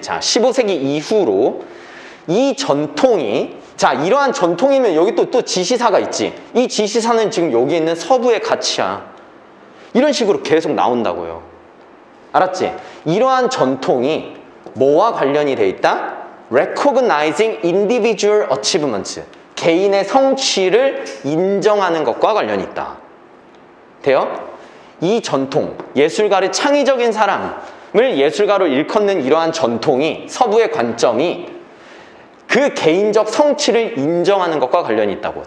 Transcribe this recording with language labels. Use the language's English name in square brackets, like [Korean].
[Korean] 자, 15세기 이후로 이 전통이, 자, 이러한 전통이면 여기 또 지시사가 있지. 이 지시사는 지금 여기 있는 서부의 가치야. 이런 식으로 계속 나온다고요. 알았지? 이러한 전통이 뭐와 관련이 돼 있다? [English] Recognizing individual achievements. [Korean] 개인의 성취를 인정하는 것과 관련이 있다. 돼요? 이 전통, 예술가를 창의적인 사람을 예술가로 일컫는 이러한 전통이, 서부의 관점이 그 개인적 성취를 인정하는 것과 관련이 있다고.